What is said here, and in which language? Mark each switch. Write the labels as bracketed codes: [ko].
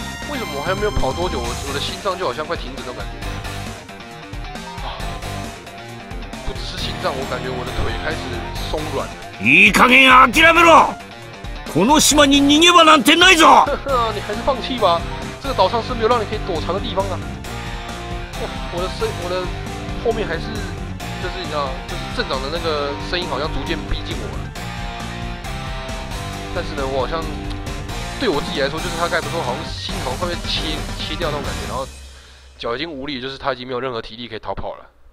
[zh] 为什么我还没有跑多久，我的心脏就好像快停止的感觉？不只是心脏，我感觉我的腿开始松软了。 [ja] いい加減諦めろ。この島に逃げ場なんてないぞ。 [zh] 你还是放弃吧，这个岛上是没有让你可以躲藏的地方啊。我的后面还是，就是你知道，就是镇长的那个声音好像逐渐逼近我了。但是呢，我好像。对我自己来说，就是他刚才不说，好像心好像快被切掉那种感觉，然后脚已经无力，就是他已经没有任何体力可以逃跑了。